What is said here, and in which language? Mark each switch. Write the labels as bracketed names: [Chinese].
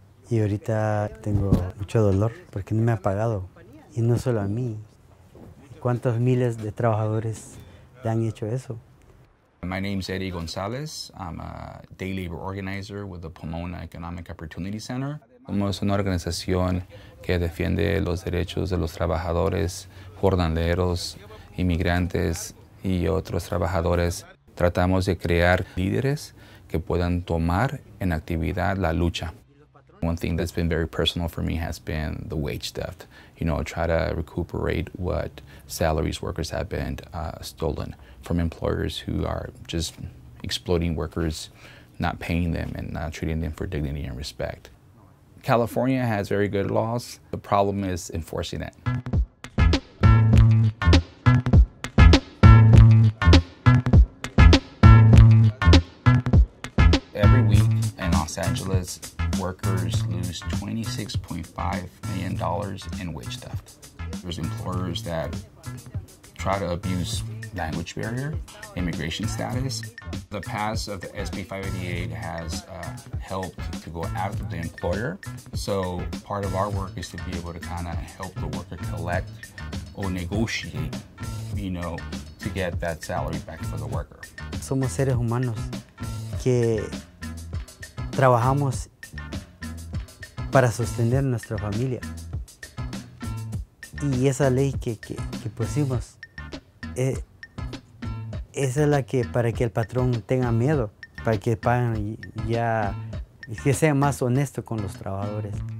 [Spanish] Y ahorita tengo mucho dolor porque no me ha pagado. Y no solo a mí. ¿Cuántos miles de trabajadores le han hecho eso? [English] My name is Eddie González. I'm a day labor organizer with the Pomona Economic Opportunity Center. [Spanish] Somos una organización que defiende los derechos de los trabajadores, jornaleros, inmigrantes y otros trabajadores. Tratamos de crear líderes que puedan tomar en actividad la lucha. [English] One thing that's been very personal for me has been the wage theft. You know, try to recuperate what salaries workers have been stolen from employers who are just exploiting workers, not paying them and not treating them for dignity and respect. California has very good laws. The problem is enforcing it. Every week in Los Angeles, workers lose $26.5 million in wage theft. There's employers that try to abuse language barrier, immigration status. The pass of the SB 588 has helped to go after the employer. So part of our work is to be able to kind of help the worker collect or negotiate, you know, to get that salary back for the worker. [Spanish] Somos seres humanos que trabajamos para sostener nuestra familia. Y esa ley que pusimos esa es la que para que el patrón tenga miedo, para que paguen ya y que sea más honesto con los trabajadores.